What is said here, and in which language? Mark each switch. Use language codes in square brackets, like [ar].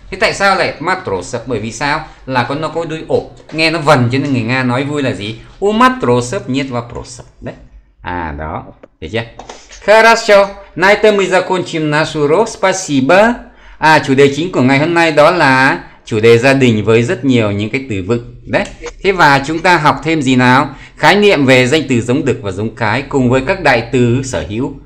[vi] Thế tại sao lại матросов? Bởi vì sao? Là con nó có đuôi ổ. Nghe nó vần cho nên người Nga nói vui là gì? [ru] У матросов нет вопросов. [vi] Đấy. À, đó. Được chưa? [ru] Хорошо. На этом мы закончим наш урок. Спасибо. [vi] À, chủ đề chính của ngày hôm nay đó là chủ đề gia đình với rất nhiều những cái từ vựng. Đấy. Thế và chúng ta học thêm gì nào? Khái niệm về danh từ giống đực và giống cái cùng với các đại từ sở hữu.